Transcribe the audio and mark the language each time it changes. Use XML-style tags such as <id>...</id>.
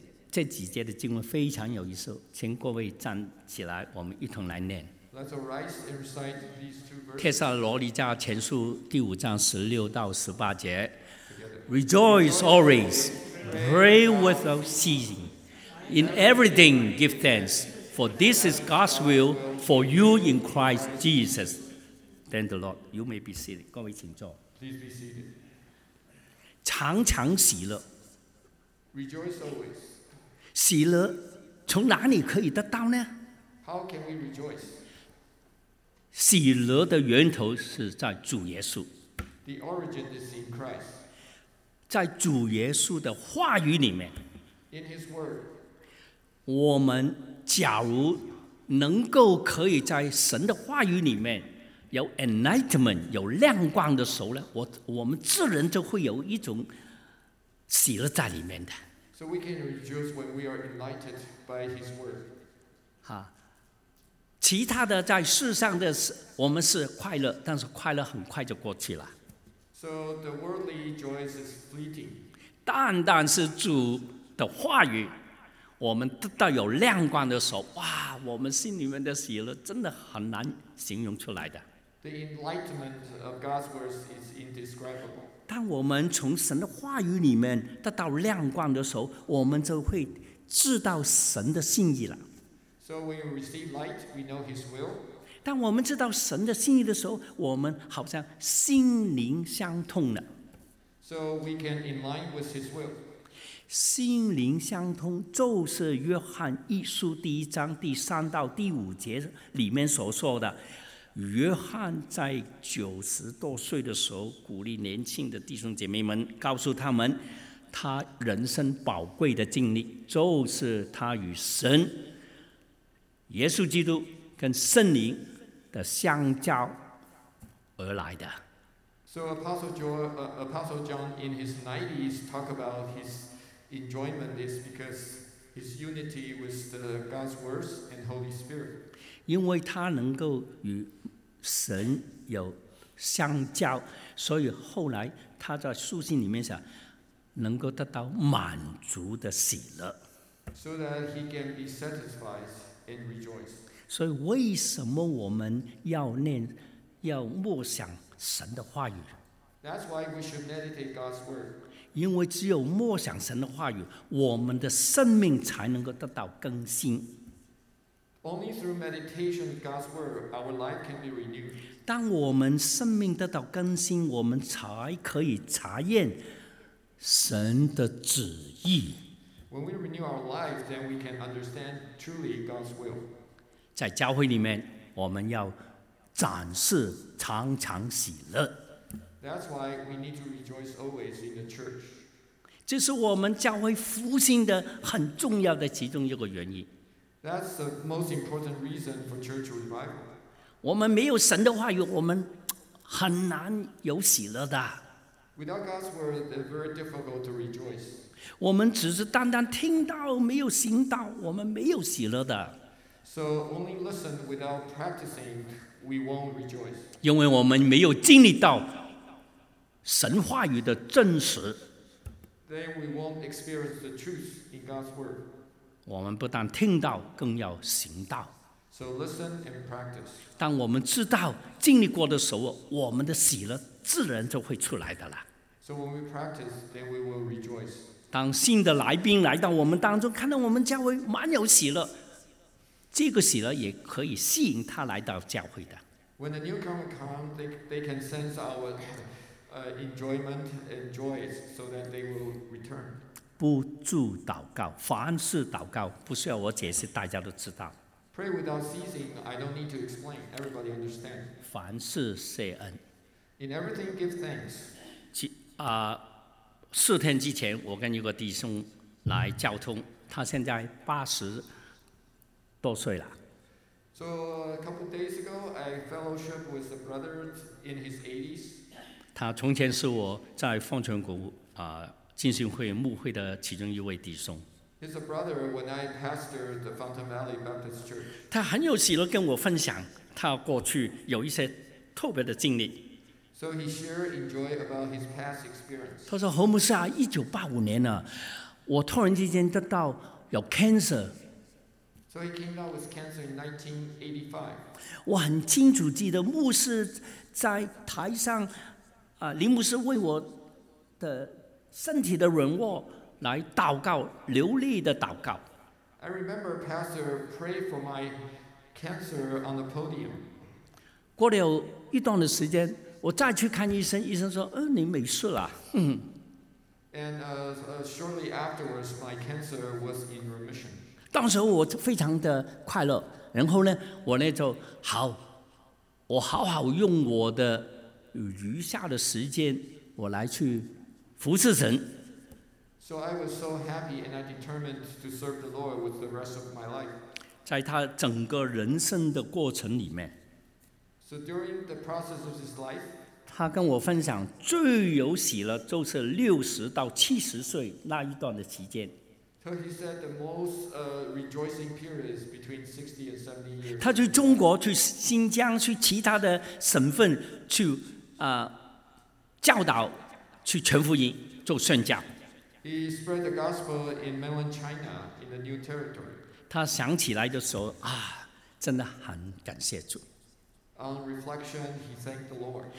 <zh>这几节的经文非常有意思，请各位站起来，我们一同来念。</zh> <en>Let's arise and recite these two verses.</en> <zh>帖撒罗尼迦前书第五章十六到十八节。</zh> <en>Rejoice always, pray without ceasing. In everything, give thanks, for this is God's will for you in Christ Jesus. Thank the Lord. You may be seated.</en> <zh>各位请坐。</zh> <en>Please be seated.</en> <zh>常常喜乐。</zh> <en>Rejoice always.</en> <zh>喜乐从哪里可以得到呢？</zh> <en>How can we rejoice?</en> <zh>喜乐的源头是在主耶稣。</zh> <en>The origin is in Christ.</en> <zh>在主耶稣的话语里面。</zh> <en>In his word.</en> <zh>我们假如能够可以在神的话语里面有 enlightenment 有亮光的时候呢 我们自然就会有一种喜乐在里面的</zh> <en>So we can rejoice when we are enlightened by his word</en> <zh>其他的在世上的我们是快乐但是快乐很快就过去了</zh> <en>So the worldly joys is fleeting</en> <zh>单单是主的话语我们得到有亮光的时候，哇！我们心里面的喜乐真的很难形容出来的。</zh> <en>The enlightenment of God's words is indescribable.</en> <zh>当我们从神的话语里面得到亮光的时候，我们就会知道神的心意了。</zh> <en>So when we receive light, we know His will.</en> <zh>当我们知道神的心意的时候，我们好像心灵相通了。</zh> <en>So we can in line with His will.</en> <zh>心灵相通就是约翰一书第一章第三到第五节里面所说的约翰在九十多岁的时候鼓励年轻的弟兄姐妹们告诉他们他人生宝贵的经历就是他与神耶稣基督跟圣灵的相交而来的</zh> <en>So Apostle John in his 90s talk about hisenjoyment is because his unity with the God's words and Holy Spirit.</en> <zh>因为他能够与神有相交，所以后来他在书信里面想能够得到满足的喜乐。</zh> <en>So that he can be satisfied and rejoice.</en> <zh>所以为什么我们要念，要默想神的话语？</zh> <en>That's why we should meditate God's word.</en> <zh>因为只有默想神的话语，我们的生命才能够得到更新。</zh> <en>Only through meditation of God's word, our life can be renewed.</en> <zh>当我们生命得到更新，我们才可以查验神的旨意。</zh> <en>When we renew our life, then we can understand truly God's will.</en> <zh>在教会里面，我们要展示常常喜乐。</zh> <en>That's why we need to rejoice always in the church.</en> <zh>这是我们教会复兴的很重要的其中一个原因。</zh> <en>That's the most important reason for church revival.</en> <zh>我们没有神的话语，我们很难有喜乐的。</zh> <en>Without God's word, it's very difficult to rejoice.</en> <zh>我们只是单单听到没有行道，我们没有喜乐的。</zh> <en>So only listen without practicing, we won't rejoice.</en> <zh>因为我们没有经历到。神话语的真实</zh> <en>Then we won't experience the truth in God's word.</en> <zh>我们不但听到更要行道</zh> <en>So listen and practice.</en> <zh>当我们知道经历过的时候我们的喜乐自然就会出来的了</zh> <en>So when we practice, then we will rejoice.</en> <zh>当新的来宾来到我们当中看到我们教会满有喜乐这个喜乐也可以吸引他来到教会的</zh> <en>When the newcomer comes, they can sense our enjoyment and joys so that they will return.</en> <zh>不住祷告，凡事祷告，不需要我解释，大家都知道。</zh> <en>Pray without ceasing, I don't need to explain, everybody understands.</en> <zh>凡事谢恩。</zh> <en>In everything, give thanks.</en> <zh>四天之前，我跟一个弟兄来交通，他现在八十多岁了。</zh> <en>So a couple days ago, I fellowship with a brother in his 80s.</en> <zh>他从前是我在凤泉谷浸信会牧会的其中一位弟兄。</zh> <en>He's a brother when I pastored the Fountain Valley Baptist Church.</en> <zh>他很有喜乐跟我分享他过去有一些特别的经历。</zh> <en>So he shared in joy about his past experience.</en> <zh>他说侯牧师啊，1985年呢，我突然之间得到有 cancer.</zh> <en>So he came out with cancer in 1985.</en> <zh>我很清楚记得牧师在台上，林牧师为我的身体的软弱来祷告，流利的祷告。</zh> <en>I remember Pastor prayed for my cancer on the podium.</en> <zh>过了一段的时间，我再去看医生，医生说：“你没事了。</zh> <en>”And shortly afterwards, my cancer was in remission.</en> <zh>当时我非常的快乐，然后呢，我呢就好，我好好用我的余下的时间，我来去服侍神。</zh> <en>So I was so happy, and I determined to serve the Lord with the rest of my life.</en> <zh>在他整个人生的过程里面</zh> <en>，So during the process of his life,</en> <zh>他跟我分享最有喜乐就是60到70岁那一段的期间。</zh> <en>So he said the most rejoicing period is between 60 and 70 years.</en> <zh>他去中国、去新疆、去其他的省份去教导、去传福音、做宣教。</zh> <en>He spread the gospel in mainland China in the new territory.</en> <zh>他想起来的时候啊，真的很感谢主。</zh> <en>On reflection, he thanked the Lord.</en>